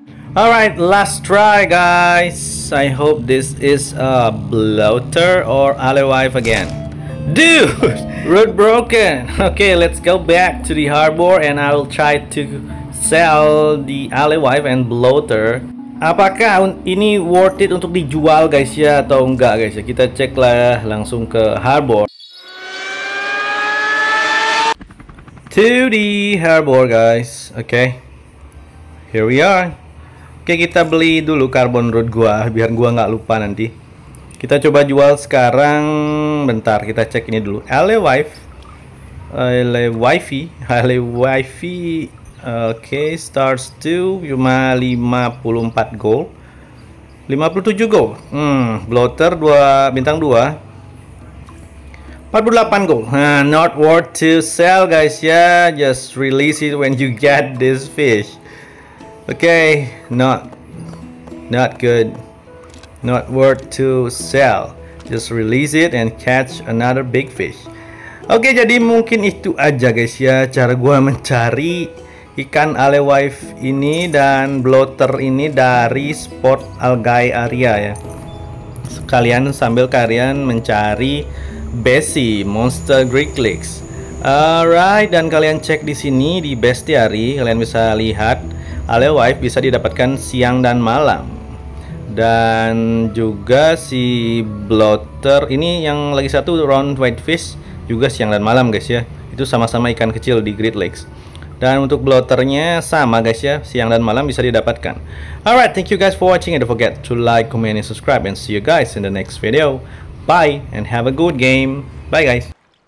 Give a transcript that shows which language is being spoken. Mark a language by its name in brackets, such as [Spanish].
[English] Alright, last try, guys. I hope this is a Bloater or Alewife again. Dude, root broken. Okay, let's go back to the harbor and I will try to sell the Alewife and Bloater. [Indonesian] Apakah ini [English] worth it [Indonesian] untuk dijual guys ya atau enggak guys ya? Kita cek lah langsung ke harbor. [English] To the harbor guys. Okay. Here we are. [Indonesian] Okay, kita beli dulu carbon rod gua biar gua nggak lupa nanti. Kita coba jual sekarang. Bentar, kita cek ini dulu. Alewife. Alewifey. [English] Okay, starts to cuma 54 gold. 57 gold. [Indonesian] Bloater 2 bintang 2. 48 gold. [English] Not worth to sell guys ya. Just release it when you get this fish. Okay, not good. Not worth to sell. Just release it and catch another big fish. [Indonesian] Okay, jadi mungkin itu aja guys ya cara gua mencari ikan Alewife ini dan Bloater ini dari spot algae area ya. Sekalian sambil kalian mencari Bessie Monster Great Lakes. Alright, dan kalian cek di sini di bestiary, kalian bisa lihat Alewife bisa didapatkan siang dan malam. Dan juga si Bloater ini yang lagi satu round whitefish juga siang dan malam guys ya. Itu sama-sama ikan kecil di Great Lakes. Dan untuk Bloaternya sama guys ya, siang dan malam bisa didapatkan. [English] Alright, thank you guys for watching and don't forget to like, comment, and subscribe. And see you guys in the next video. Bye and have a good game. Bye guys.